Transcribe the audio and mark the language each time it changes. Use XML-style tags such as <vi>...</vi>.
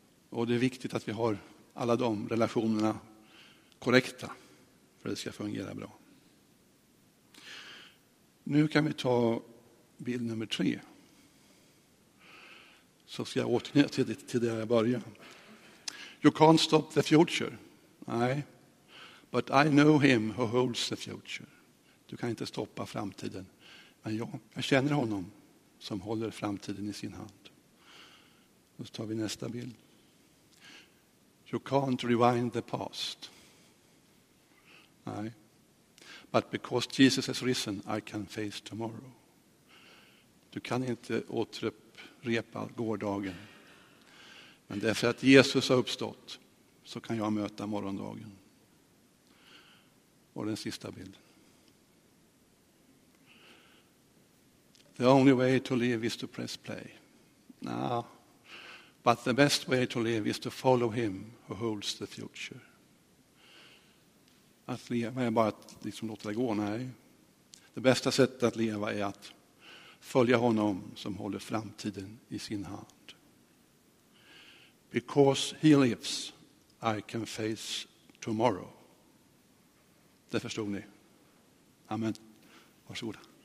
<sv>Och det är viktigt att vi har alla de relationerna korrekta för att det ska fungera bra. Nu kan vi ta bild nummer 3. Så ska jag återknyta till där jag började.</sv> <en>You can't stop the future. Nej. But I know him who holds the future.</en> <sv>Du kan inte stoppa framtiden. Men jag känner honom som håller framtiden i sin hand. Då tar vi nästa bild.</sv> <en>You can't rewind the past. Nej. But because Jesus has risen, I can face tomorrow.</en> <sv>Du kan inte återupprepa gårdagen. Men därför att Jesus har uppstått så kan jag möta morgondagen. Och den sista bilden:</sv> <en>the only way to live is to press play. Nah. But the best way to live is to follow him who holds the future.</en> <sv>Att leva är bara att liksom låta det gå. Nej. Det bästa sättet att leva är att följa honom som håller framtiden i sin hand.</sv> <en>Because he lives, I can face</en> <sv>tomorrow. Det förstod ni. Amen. Varsågoda.</sv>